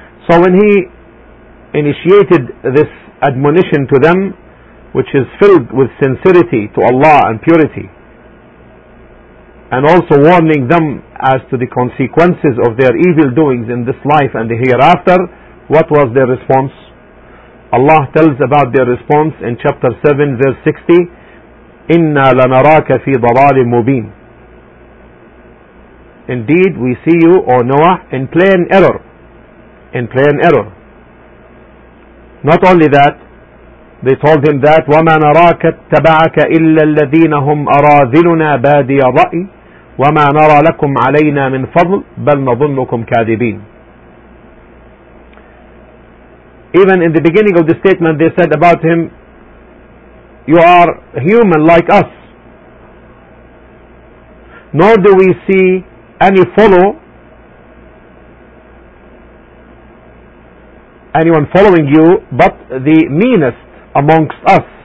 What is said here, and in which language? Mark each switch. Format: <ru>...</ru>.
<en>So when he initiated this admonition to them, which is filled with sincerity to Allah and purity, and also warning them as to the consequences of their evil doings in this life and the hereafter, what was their response? Allah tells about their response in chapter 7, verse 60,</en> <ar>إِنَّا لَنَرَاكَ فِي ضَلَالٍ مُبِينٍ.</ar> <en>Indeed, we see you, O Noah, in plain error. In plain error. Not only that, they told him that,</en> <ar>وَمَا نَرَاكَ اتَّبَعَكَ إِلَّا الَّذِينَ هُمْ أَرَاذِلُنَا بَادِيَ رَأِي وَمَا نَرَى لَكُمْ عَلَيْنَا مِنْ فَضْلٍ بَلْ نَظُنُّكُمْ كَاذِبِينَ.</ar> <en>Even in the beginning of the statement, they said about him, you are human like us. Nor do we see anyone following you, but the meanest amongst us.</en>